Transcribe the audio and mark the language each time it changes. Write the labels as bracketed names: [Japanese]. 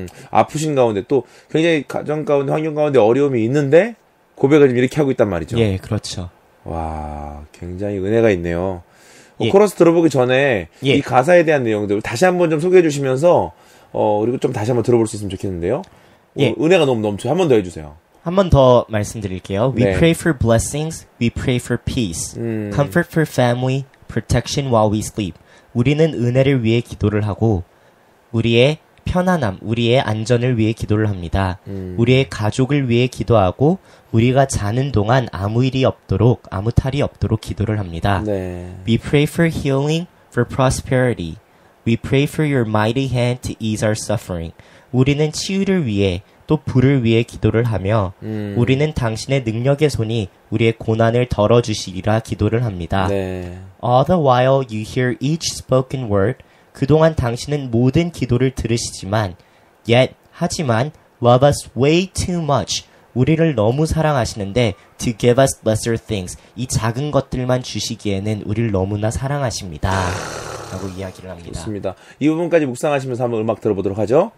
[Korean] 아프신 가운데 또 굉장히 가정 가운데 환경 가운데 어려움이 있는데 고백을 좀 이렇게 하고 있단 말이죠. 예, 그렇죠. 와, 굉장히 은혜가 있네요. 예. 코러스 들어보기 전에 예. 이 가사에 대한 내용들 다시 한번 좀 소개해 주시면서 그리고 좀 다시 한번 들어볼 수 있으면 좋겠는데요. 예. 은혜가 너무 넘쳐요. 한 번 더 해 주세요. 한 번 더 말씀드릴게요. We 네. [English] pray for blessings, we pray for peace, comfort for family, protection while we sleep. [Korean] 우리는 은혜를 위해 기도를 하고 우리의 편안함, 우리의 안전을 위해 기도를 합니다. 우리의 가족을 위해 기도하고 우리가 자는 동안 아무 일이 없도록, 아무 탈이 없도록 기도를 합니다. 네. [English] We pray for healing, for prosperity. We pray for your mighty hand to ease our suffering. [Korean] 우리는 치유를 위해 또 부를 위해 기도를 하며 우리는 당신의 능력의 손이 우리의 고난을 덜어주시리라 기도를 합니다. 네. [English] All the while you hear each spoken word, [Korean] 그동안 당신은 모든 기도를 들으시지만 [English] yet, [Korean] 하지만 [English] love us way too much, [Korean] 우리를 너무 사랑하시는데 [English] to give us lesser things, [Korean] 이 작은 것들만 주시기에는 우리를 너무나 사랑하십니다. 라고 이야기를 합니다. 좋습니다. 이 부분까지 묵상하시면서 한번 음악 들어보도록 하죠.